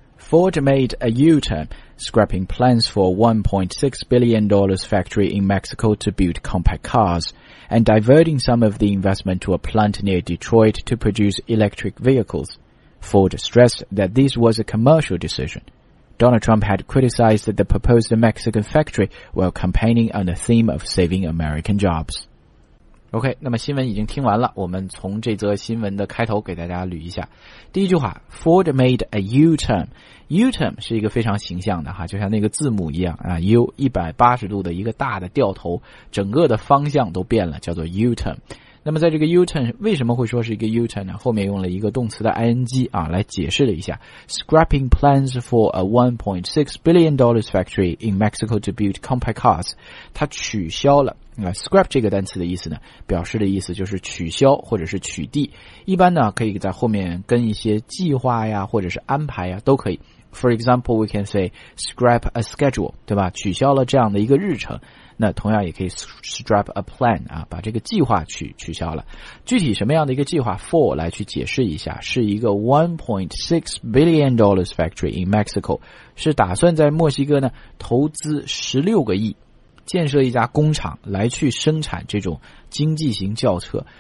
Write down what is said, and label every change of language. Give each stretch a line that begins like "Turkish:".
English: Ford made a U-turn, scrapping plans for $1.6 billion factory in Mexico to build compact cars, and diverting some of the investment to a plant near Detroit to produce electric vehicles. Ford stressed that this was a commercial decision. Donald Trump had criticized the proposed Mexican factory while campaigning on the theme of saving American jobs.
Chinese: OK, 那么新闻已经听完了，我们从这则新闻的开头给大家捋一下。
English: 第一句话， Ford made a U-turn。
Chinese: U-turn 是一个非常形象的哈，就像那个字母一样啊， U 180度的一个大的掉头，整个的方向都变了，叫做 U-turn。那么在这个 U-turn 为什么会说是一个 U-turn 呢？后面用了一个动词的 ing 啊，来解释了一下。
English: Scrapping plans for a $1.6 billion factory in Mexico to build compact cars，它取消了。
Chinese: Scrap 这个单词的意思呢，表示的意思就是取消或者是取缔，一般呢可以在后面跟一些计划呀或者是安排呀都可以。 For example we can say scrap a schedule，对吧，取消了这样的一个日程。那同样也可以 strap a plan 啊，把这个计划取消了。具体什么样的一个计划 ？For 来去解释一下，是一个 $1.6 billion factory in Mexico，是打算在墨西哥呢投资16个亿，建设一家工厂来去生产这种经济型轿车。